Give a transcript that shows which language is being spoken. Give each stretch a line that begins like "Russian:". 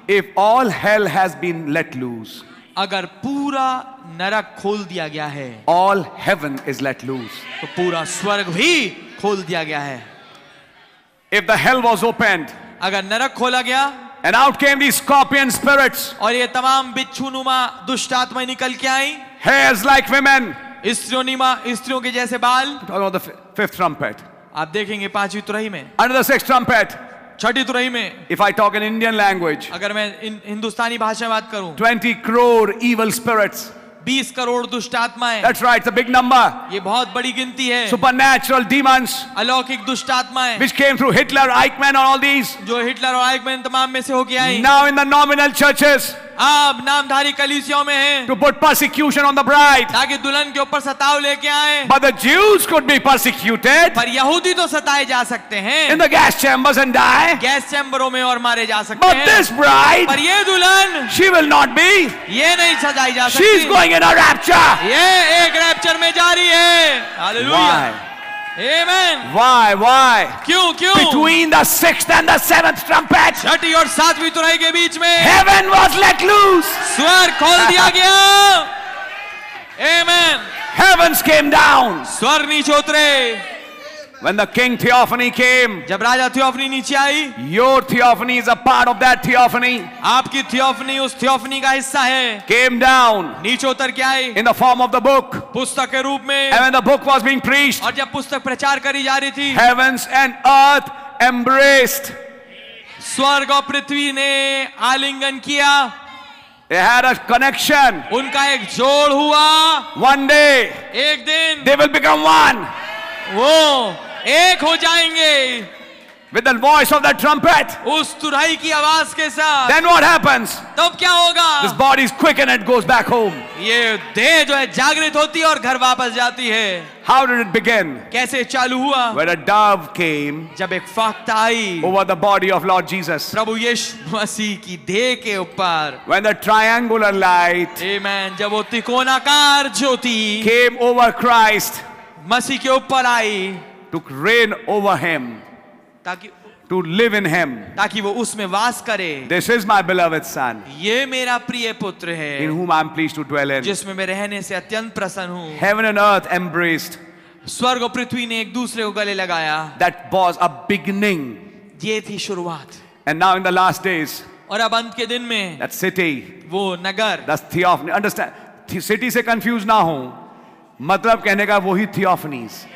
English: If all hell has been let loose.
Hindi: अगर पूरा नरक खोल दिया गया है.
English: All heaven is let loose.
Hindi: तो पूरा स्वर्ग भी खोल दिया गया है.
English: If the hell was opened.
Hindi: अगर नरक खोला गया.
English: And out came these scorpion spirits.
Hindi: और ये तमाम बिच्छुनुमा दुष्ट आत्माएं निकल के आईं.
English: Hairs like women.
Hindi: स्त्रियों के जैसे बाल.
English: Under the fifth trumpet.
Hindi: आप देखेंगे पांचवी तुरही में.
English: Under the sixth trumpet.
Hindi: छठी तुरही में.
English: If I talk in Indian language.
Hindi: अगर मैं हिंदुस्तानी भाषा में बात करूं.
English: 20 crore evil spirits.
Hindi: 20 करोड़ दुष्ट आत्माएं.
English: That's right, it's a big number.
Hindi: ये बहुत बड़ी गिनती है.
English: Supernatural demons.
Hindi: अलौकिक दुष्ट आत्माएं.
English: Which came through Hitler, Eichmann and all these.
Hindi: जो हिटलर और आइकमैन तमाम में से होके आए.
English: Now in the nominal churches.
Hindi: अब नामधारी कलीसियों में हैं.
English: To put persecution on the bride.
Hindi: ताकि दुल्हन के ऊपर सताव लेके आए.
English: But the Jews could be persecuted.
Hindi: पर यहूदी तो सताए जा सकते हैं.
English: In the gas chambers and die.
Hindi: Gas चैम्बरों में और मारे जा सकते
English: But
Hindi: हैं.
English: But this bride.
Hindi: पर ये दुल्हन.
English: She will not be.
Hindi: ये नहीं सताई जा सकती.
English: She is going in a rapture.
Hindi: ये एक रैप्चर में जा रही है.
English: Hallelujah. Why? Amen. Why? Why?
Hindi: क्यों क्यों?
English: Between the sixth and the seventh trumpet.
Hindi: छठी और सातवीं तुरही के बीच में.
English: Heaven was let loose.
Hindi: स्वर्ग खोल दिया गया. Amen.
English: Heavens came down.
Hindi: स्वर्ग नीचे उतरे.
English: When the king theophany came.
Hindi: जब राजा theophany नीचे आई.
English: Your theophany is a part of that theophany.
Hindi: आपकी theophany उस theophany का हिस्सा है.
English: Came down.
Hindi: नीचे उतर के आई.
English: In the form of the book.
Hindi: पुस्तक के रूप में.
English: And when the book was being preached.
Hindi: और जब पुस्तक प्रचार करी जा रही थी.
English: Heavens and earth embraced.
Hindi: स्वर्ग और पृथ्वी ने आलिंगन किया.
English: They had a connection.
Hindi: उनका एक जोड़ हुआ.
English: One day.
Hindi: एक दिन.
English: They will become one.
Hindi: वो एक हो जाएंगे.
English: With the voice of the trumpet.
Hindi: उस तुरही की आवाज के साथ.
English: Then what happens?
Hindi: तब क्या होगा?
English: This body is quickened and goes back home.
Hindi: ये देह जो है जागृत होती है और घर वापस जाती है.
English: How did it begin?
Hindi: कैसे चालू हुआ?
English: When a dove came.
Hindi: जब एक फाख्ता आई.
English: Over the body of Lord Jesus.
Hindi: प्रभु यीशु मसीह की देह के ऊपर.
English: When the triangular light.
Hindi: Amen. जब वो त्रिकोणाकार ज्योति.
English: Came over Christ.
Hindi: मसीह के ऊपर आई.
English: Took reign over him. To live in him.
Hindi: ताकि वो उसमें वास करे.
English: This is my beloved son.
Hindi: ये मेरा प्रिय पुत्र है.
English: In whom I am pleased to dwell in.
Hindi: जिसमें मैं रहने से अत्यंत प्रसन्न हूँ.
English: Heaven and earth embraced.
Hindi: स्वर्ग और पृथ्वी ने एक दूसरे को गले लगाया.
English: That was a beginning.
Hindi: ये थी शुरुआत.
English: And now in the last days.
Hindi: और अब अंत के दिन में.
English: That city.
Hindi: वो नगर.
English: That theophany. Understand?
Hindi: City से confused ना हो. मतलब कहने का वही theophanies.